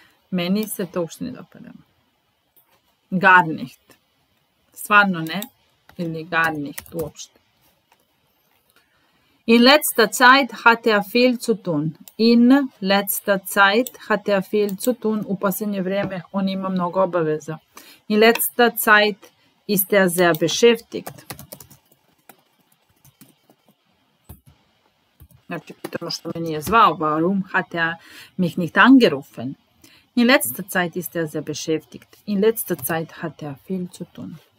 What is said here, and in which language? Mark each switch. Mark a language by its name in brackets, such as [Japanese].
[Serbian] Meni se to uopšte ne dopada. [German] Gar nicht. [Serbian] Stvarno ne. Ili [German] gar nicht [Serbian] uopšte. [German] In letzter Zeit hat er viel zu tun. In letzter Zeit hat er viel zu tun. [Serbian] U poslednje vreme on ima mnogo obaveza. [German] In letzter Zeit ist er sehr beschäftigt. [Serbian] Znači, pitamo što me nije zvao, [German] warum hat er mich nicht angerufen? In letzter Zeit ist er sehr beschäftigt. In letzter Zeit hat er viel zu tun.